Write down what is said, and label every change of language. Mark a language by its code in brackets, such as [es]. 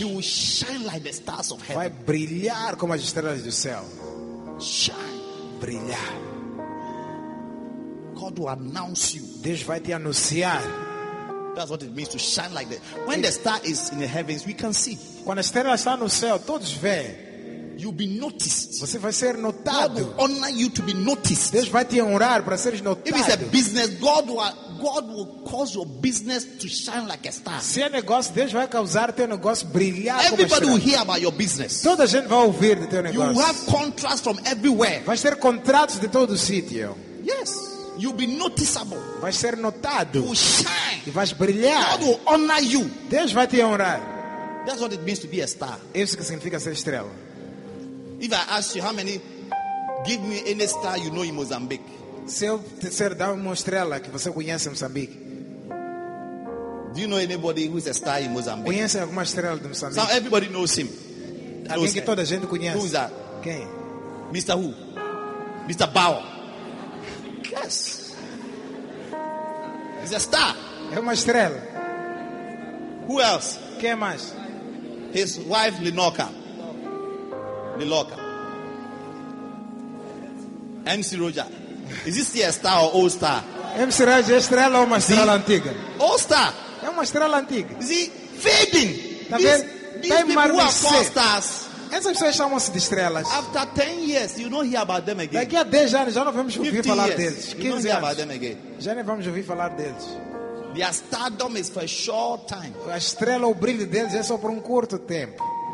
[en] he will shine like the stars of heaven. [pt] Vai brilhar como as estrelas do céu. [en] Shine. [pt] Brilhar. [en] God will announce you. [pt] Deus vai te anunciar. [en] That's what it means to shine like that. When the star is in the heavens, we can see. [pt] Quando a estrela está no céu, todos veem. [en] You'll be noticed. [pt] Você vai ser notado. [en] God will honor you to be noticed. [pt] Deus vai te honrar para seres notado. [en] If it's a business, God will cause your business to shine like a star. [pt] Se é negócio, Deus vai causar teu negócio brilhar. [en] Everybody will hear about your business. [pt] Toda gente vai ouvir de teu negócio. [en] You have contracts from everywhere. [pt] Vai ter contratos de todo o sítio. [en] Yes. You'll be noticeable. [pt] Vai ser notado. [en] You'll shine. [pt] E vais brilhar. [en] God will honor you. [pt] Deus vai te honrar. [en] That's what it means to be a star. [pt] Isso que significa ser estrela. [en] If I ask you how many, give me any star you know in Mozambique. [pt] Se eu te disser, dá uma estrela que você conhece em Moçambique. [en] Do you know anybody who is a star in Mozambique? [pt] Conhece alguma estrela de Moçambique? [en] Now everybody knows him. [pt] Alguém que toda a gente conhece. [en] Who is that? [pt] Quem? [en] Mr. Who? Mr. Bauer. Yes. He's a star. [pt] É uma estrela. [en] Who else? [pt] Quem mais? [en] His wife Linoka. Linoka. MC Roger. Is this a star or old star? [pt] MC Roger é estrela ou uma estrela See? Antiga? [en] Old star. [pt] É uma estrela antiga. [en] Is he fading? [pt] Tá vendo? [en] These people who are called stars. [pt] Essas pessoas chamam-se de estrelas. [en] After 10 years, you don't hear about them again. [pt] Daqui a 10 anos já não vamos ouvir falar deles. [en] 15 years, you don't hear about them again. [pt] Já não vamos ouvir falar deles. [en] Their stardom is for a short time. [pt] A estrela, o brilho deles é só por curto tempo.